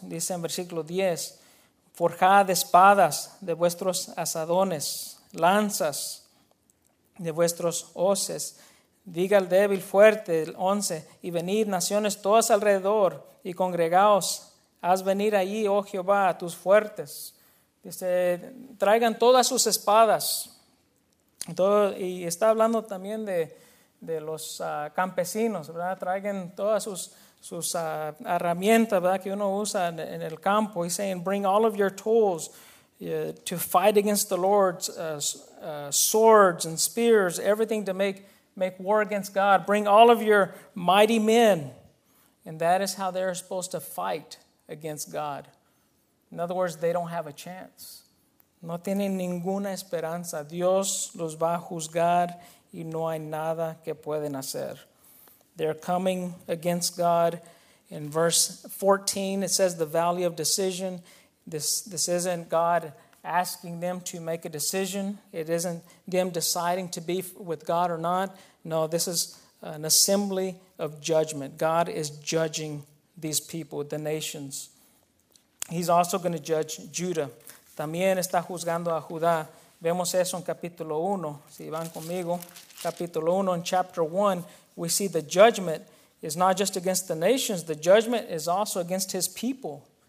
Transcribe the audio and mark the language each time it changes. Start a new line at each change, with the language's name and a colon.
Spanish: Dice en versículo 10, forjad espadas de vuestros azadones, lanzas de vuestros hoces, diga al débil fuerte, el 11, y venid naciones todas alrededor y congregaos, haz venir allí, oh Jehová, a tus fuertes. Dice, traigan todas sus espadas. Entonces, y está hablando también de los campesinos, ¿verdad? Traigan todas sus herramientas, ¿verdad?, que uno usa en el campo.
English: He's saying, bring all of your tools to fight against the Lord's swords and spears, everything to make war against God. Bring all of your mighty men. And that is how they're supposed to fight against God. In other words, they don't have a chance. No tienen ninguna esperanza. Dios los va a juzgar y no hay nada que pueden hacer. They're coming against God. In verse 14, it says the valley of decision. This isn't God asking them to make a decision. It isn't them deciding to be with God or not. No, this is an assembly of judgment. God is judging these people, the nations. He's also going to judge Judah.
Spanish: También está juzgando a Judá. Vemos eso en capítulo 1. Si van conmigo, capítulo 1, en
English: chapter 1. We see the judgment is not just against the nations. The judgment is also against his people.